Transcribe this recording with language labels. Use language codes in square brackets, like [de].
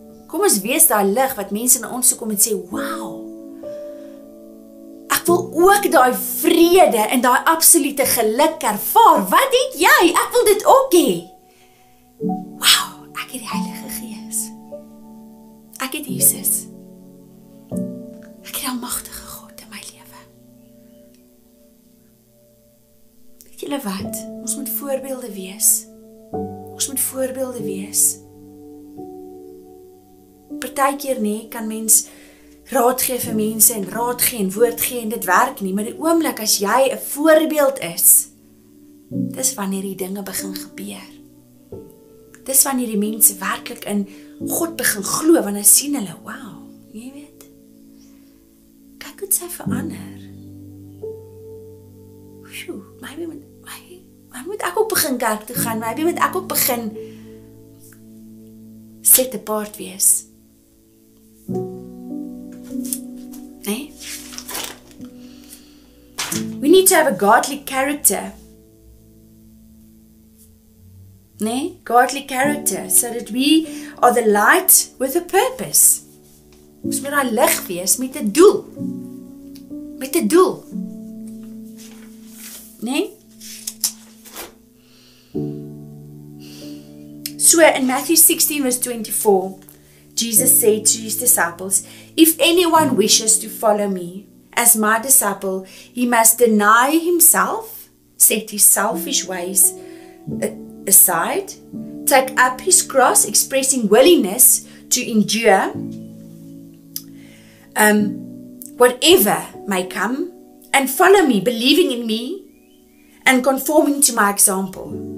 [af] Kom ons wees daai lig wat mense na ons toe kom en sê, wow! Ek wil ook daai vrede en daai absolute geluk ervaar. Wat het jy? Ek wil dit ook hê. Wow! Ek het die Heilige Ek het Jesus. Ek het almagtige God in my lewe. Weet julle wat? Ons moet voorbeelde wees. Ons moet voorbeelde wees. Partykeer nie kan mens raad gee vir mense en raad gee en woord gee en dit werk nie. Maar die oomblik as jy 'n voorbeeld is, dis wanneer die dinge begin gebeur. Dis wanneer die mense werklik in God begin glo, wanneer sien hulle, wow, jy weet, kyk hoe sy verander. Phew, my moet ek ook begin kerk toe gaan, my moet ek ook begin [en] set apart [af] wees. Nee? [en] We need to have a godly character. Nee, godly character, so that we are the light with a purpose. [af] Ons moet daai lig wees met 'n doel. Met 'n doel. Nee? [en] So in Matthew 16 verse 24, Jesus said to his disciples, "If anyone wishes to follow me as my disciple, he must deny himself, set his selfish ways aside, take up his cross, expressing willingness to endure whatever may come, and follow me, believing in me and conforming to my example."